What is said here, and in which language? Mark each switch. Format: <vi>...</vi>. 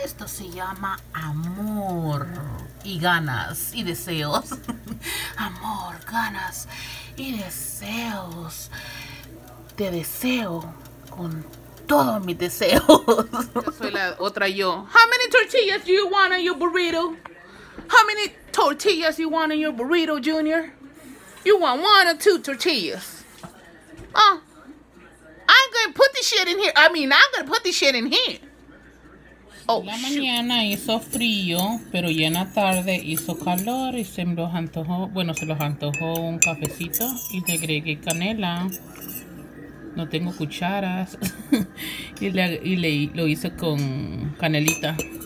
<es>Esto se llama amor y ganas y deseos. Amor, ganas y deseos. Te deseo con todos mis deseos. Yo soy la otra yo.</es> <en>How many tortillas do you want in your burrito? How many tortillas you want in your burrito, Junior? You want one or two tortillas? I'm going to put this shit in here. I'm going to put this shit in here.</en> <es>Oh, la mañana shoot. Hizo frío, pero ya en la tarde hizo calor y se los antojó, bueno, se los antojó un cafecito y le agregué canela. No tengo cucharas. y lo hice con canelita.</es>